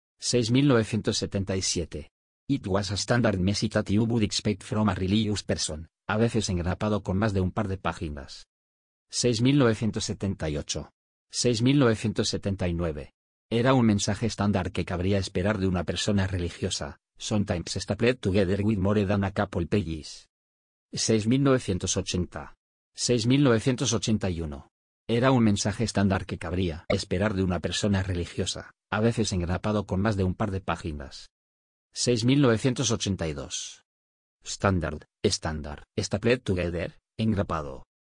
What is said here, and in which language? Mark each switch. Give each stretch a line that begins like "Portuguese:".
English: 6977. It was a standard message that you would expect from a religious person,
Spanish: a veces engrapado con más de un par de páginas. 6978. 6979. Era un mensaje estándar que cabría esperar de una persona religiosa.
English: Sometimes stapled together with more than a couple pages. 6980. 6981.
Spanish: Era un mensaje estándar que cabría esperar de una persona religiosa, a veces engrapado con más de un par de páginas.
English: 6982. Standard, estándar, stapled together, engrapado.